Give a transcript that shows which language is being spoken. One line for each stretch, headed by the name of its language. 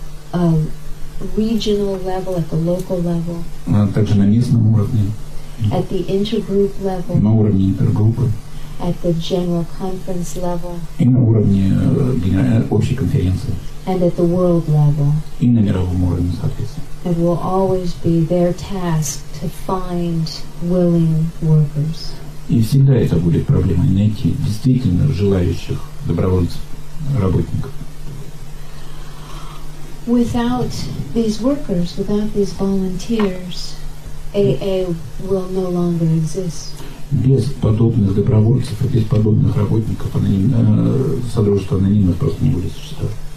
English: At the regional level, at the local level.
Russian: Также на местном уровне.
English: At the intergroup level.
Russian: На уровне интергруппы.
English: At the general conference level.
Russian: И на уровне общей конференции.
English: And at the world level.
Russian: И на мировом уровне, соответственно.
English: It will always be their task to find willing workers.
Russian: И всегда это будет проблема найти действительно желающих добровольцев, работников.
English: Without these workers, without these volunteers, AA will no longer exist.
Russian: Без подобных добровольцев и без подобных работников Содружество анонимных просто не будет существовать.